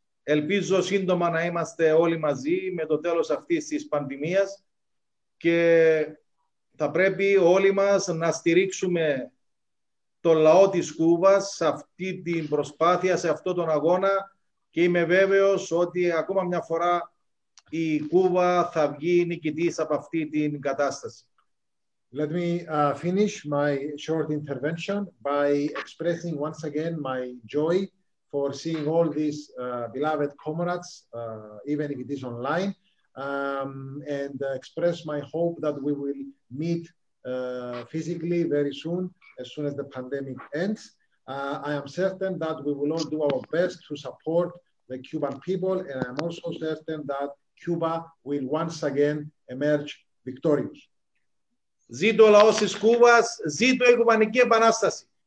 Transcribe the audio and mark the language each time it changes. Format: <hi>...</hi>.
<el>Ελπίζω σύντομα να είμαστε όλοι μαζί με το τέλος αυτής της πανδημίας και θα πρέπει όλοι μας να στηρίξουμε το λαό της Κούβας σε αυτή την προσπάθεια, σε αυτόν τον αγώνα και είμαι βέβαιος ότι ακόμα μια φορά η Κούβα θα βγει νικητής από αυτή την κατάσταση.</el> <en>Let me finish my short intervention by expressing once again my joy for seeing all these beloved comrades, even if it is online, and express my hope that we will meet physically very soon, as soon as the pandemic ends. I am certain that we will all do our best to support the Cuban people, and I am also certain that Cuba will once again emerge victorious.</en> <el>Ζήτω ο λαός της Κούβας, ζήτω η Κουβανική Επανάσταση.</el>